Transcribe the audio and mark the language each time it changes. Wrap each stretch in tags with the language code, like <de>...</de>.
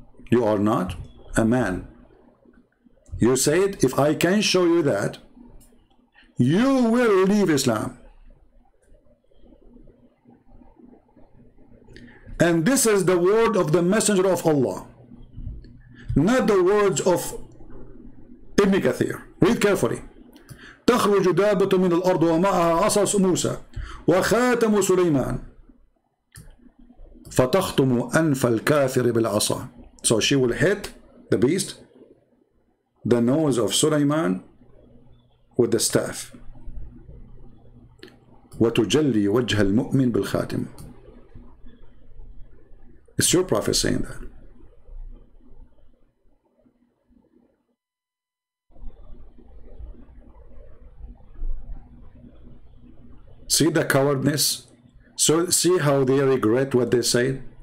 <en>You are not a man. You said, if I can show you that, you will leave Islam. And this is the word of the Messenger of Allah, not the words of Ibn Kathir. Read carefully.</en> <ar>تخرج دابة من الأرض ومعها عصا موسى وخاتم سليمان فتختم أنف الكافر بالعصا.</ar> <en>So she will hit the beast, the nose of Sulaiman, with the staff.</en> <ar>وتجلي وجه المؤمن بالخاتم.</ar> <en>It's your prophet saying that. See the cowardness? So see how they regret what they say?</en>